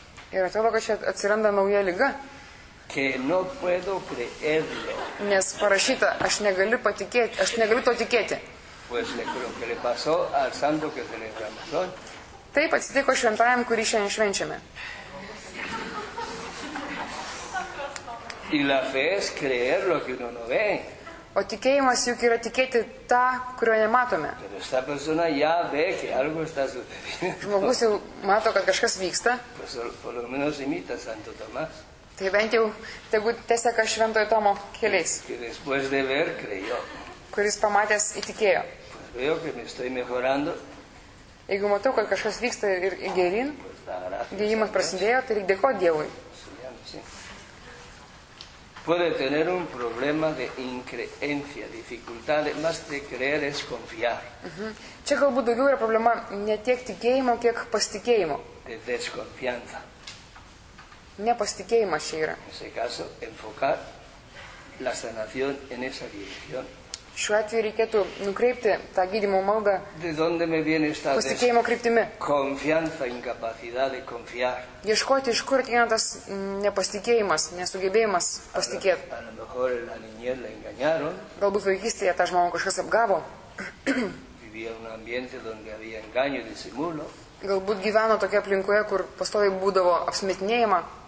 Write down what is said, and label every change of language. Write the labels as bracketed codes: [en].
[lt] Ir atrodo, kad čia atsiranda nauja liga. [es] Que no puedo creerlo. [lt] Nes parašyta, aš negaliu patikėti, aš negaliu to tikėti. [es] Pues le creo que le pasó al santo que celebramos hoy. [lt] Taip atsitiko šventajam, kurį šiandien švenčiame. [es] Y la fe es creer lo que uno no ve. [lt] O tikėjimas juk yra tikėti tą, kurio nematome. [es] Esta persona ya ve que algo está sucediendo. [lt] Žmogus jau mato, kad kažkas vyksta. [es] Pues por lo menos imita santo Tomás. [lt] Tai bent jau, tegu teseka šventojo Tomo keliais. [es] Después de ver, creyó. [lt] Kuris pamatęs įtikėjo. [es] Pues veo que me estoy mejorando. [lt] Jeigu matau, kad kažkas vyksta ir gerin, gyjimas prasidėjo, tai reikia dėkoti Dievui. [es] Puede tener un problema de increencia, dificultad, más de creer es confiar. [lt] Čia galbūt daugiau yra problema ne tiek tikėjimo, kiek pasitikėjimo. [es] De desconfianza. [lt] Nepasitikėjimas čia yra. [es] En ese caso, enfocar la sanación en esa dirección. [lt] Šiuo atveju reikėtų nukreipti tą gydymo maldą pasitikėjimo kryptimi. [es] Confianza, incapacidad de confiar. [lt] Ieškoti, iš kur ateina tas nepasitikėjimas, nesugebėjimas pasitikėti. [es] A lo mejor la niñez la engañaron. [lt] Galbūt vaikystėje tą žmogų kažkas apgavo. [es] Vivía un ambiente donde había engaño y disimulo. [lt] Galbūt gyveno tokia aplinkoje, kur pastoviai būdavo apsimetinėjama.